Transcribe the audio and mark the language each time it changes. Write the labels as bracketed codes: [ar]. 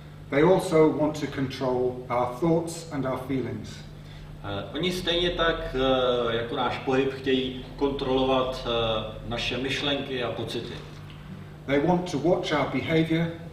[en] They also want to control our thoughts and our feelings. [cs] Oni stejně tak jako náš pohyb chtějí kontrolovat naše myšlenky a pocity. [en] They want to watch our behavior.